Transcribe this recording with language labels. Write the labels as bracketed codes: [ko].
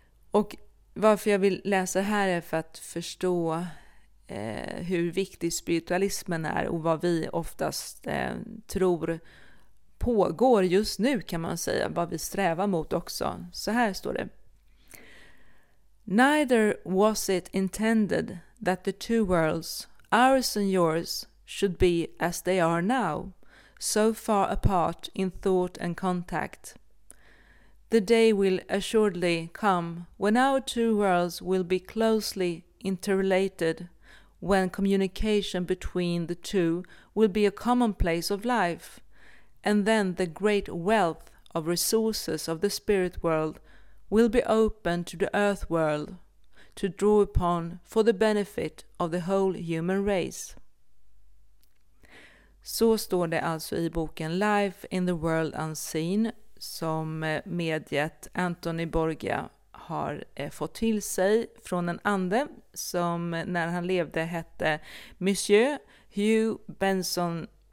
[sv] Och varför jag vill läsa här är för att förstå hur viktig spiritualismen är och vad vi oftast tror pågår just nu, kan man säga, vad vi strävar mot också. [en] Så här står det: Neither was it intended that the two worlds, ours and yours, should be as they are now, so far apart in thought and contact. The day will assuredly come when our two worlds will be closely interrelated, when communication between the two will be a commonplace of life, and then the great wealth of resources of the spirit world will be open to the earth world to draw upon for the benefit of the whole human race. [sv] Så står det alltså i boken Life in the World Unseen, som mediet Anthony Borgia har fått till sig från en ande som när han levde hette Monsieur Hugh Benson.